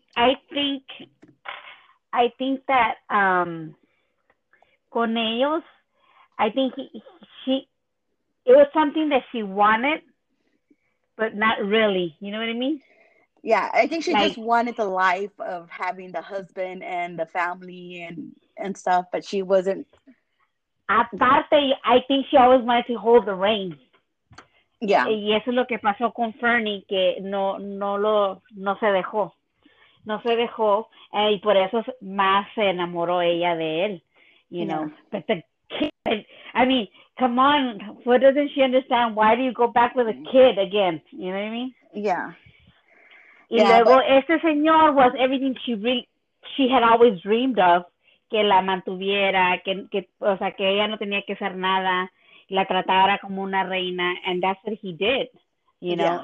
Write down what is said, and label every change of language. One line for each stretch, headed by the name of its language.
English: I think that
Spanish: con ellos,
English: I think she, it was something that she wanted, but not really. You know what I mean? Yeah, I think she just wanted the life of having the husband and the family and stuff, but she wasn't.
Spanish: Aparte,
English: I think she always wanted to hold the reins. Yeah.
Spanish: Y eso es lo que pasó con Fernie, que no se dejó. no se dejó, y por eso más se enamoró ella de él,
English: you know. But the kid, I mean, come on, what doesn't she understand? Why do you go back with a kid again? You know what I mean?
Spanish: Y luego ese señor
English: was everything she really, she had always dreamed of,
Spanish: que la mantuviera, o sea, que ella no tenía que hacer nada, la tratara como una reina,
English: and that's what he did, you know.